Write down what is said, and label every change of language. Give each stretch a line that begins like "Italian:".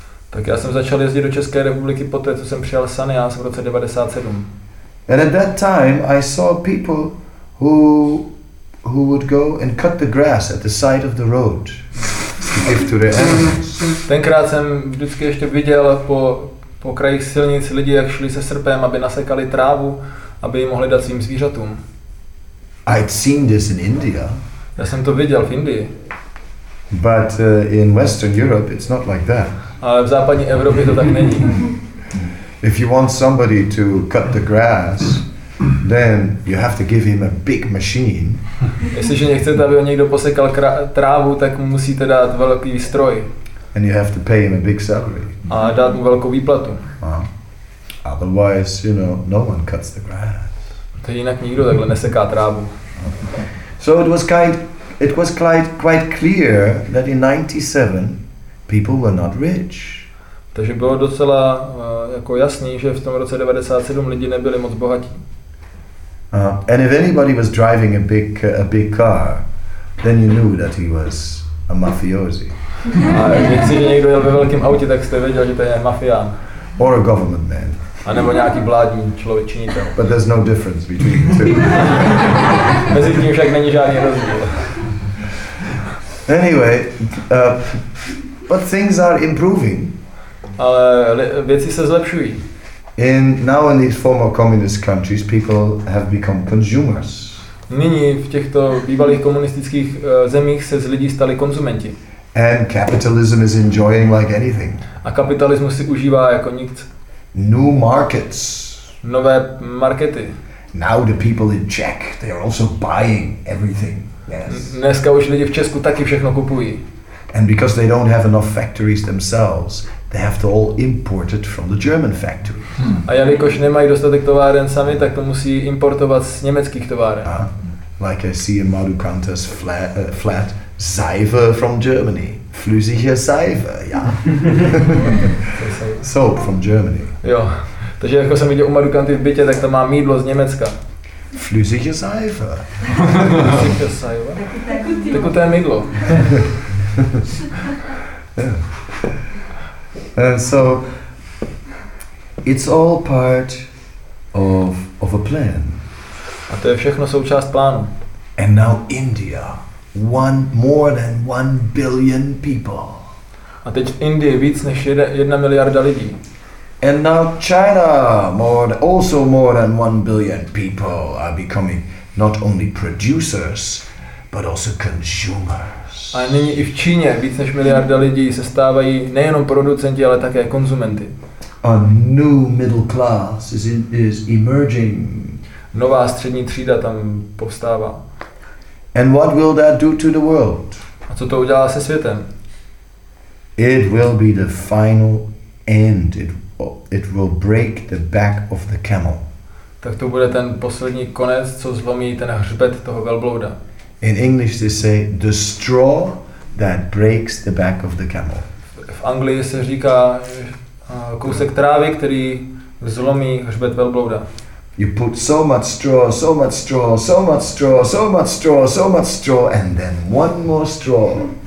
Czech: Tak já jsem začal jezdit do České republiky poté, co jsem přijal sannyas v roce 97.
English: And at that time, I saw people who would go and cut the grass at the side of the road to give to the animals.
Czech: Tenkrát jsem vždycky ještě viděl po krajích silnic lidi, jak šli se srpem, aby nasekali trávu, aby ji mohli dát svým zvířatům.
English: I'd seen this in India.
Czech: Já jsem to viděl v Indii.
English: But in Western Europe it's not like that.
Czech: Ale v západní Evropě to tak není.
English: If you want somebody to cut the grass, then you have to give him a big machine.
Czech: Jestliže nechcete, aby ho někdo posekal trávu, tak mu musíte dát velký stroj.
English: And you have to pay him a big salary.
Czech: A dát mu velkou výplatu.
English: Otherwise, you know, no one cuts the grass.
Czech: To jinak nikdo takhle neseká trávu.
English: So it was quite clear that in 97 people were not rich.
Czech: Takže bylo docela jako jasný, že v tom roce 97 lidi nebyli moc bohatí.
English: And if anybody was driving a big car, then you knew that he was a mafiosi.
Czech: A jestliže někdo jel ve velkém autě, tak jste věděl, že to je mafián.
English: Or a government man.
Czech: A nebo nějaký vládní člověk činitel.
English: But there's no difference between the two.
Czech: Mezi tím však není žádný rozdíl.
English: Anyway, but things are improving.
Czech: Ale věci se zlepšují.
English: In now in these former communist countries, people have become consumers.
Czech: Nyní v těchto bývalých komunistických zemích se z lidí stali konzumenti.
English: And capitalism is enjoying like anything.
Czech: A kapitalismus si užívá jako nikt.
English: New markets.
Czech: Nové markety.
English: Now the people in Czech, they are also buying everything. Yes.
Czech: Dneska už lidi v Česku taky všechno kupují.
English: And because they don't have enough factories themselves, they have to all import it from the German factory.
Czech: A jelikož nemají dostatek továren sami, tak to musí importovat z německých továren.
English: Like I see in Madu Kanta's flat, Seife from Germany.
German: Flüssige Seife,
English: yeah. Soap from Germany.
Czech: Jo, takže jako jsem viděl u Madu Kanty v bytě, tak to má mýdlo z Německa.
German: Flüssige Seife. Flüssige Seife.
Czech: Tekuté mýdlo.
English: And so it's all part of a plan.
Czech: A to je všechno součást plánu.
English: And now India, more than 1 billion people.
Czech: A teď Indie víc než 1 miliarda lidí.
English: And now China, more than 1 billion people are becoming not only producers, but also consumers.
Czech: A nyní i v Číně víc než miliarda lidí se stávají nejenom producenti, ale také konzumenty.
English: A new middle class is emerging.
Czech: Nová střední třída tam povstává.
English: And what will that do to the world?
Czech: A co to udělá se světem?
English: It will be the final end. It will break the back of the camel.
Czech: Tak to bude ten poslední konec, co zlomí ten hřbet toho velblouda.
English: In English they say the straw that breaks the back of the camel.
Czech: V Anglii se říká kousek trávy, který zlomí hřbet velblouda.
English: You put so much straw and then one more straw.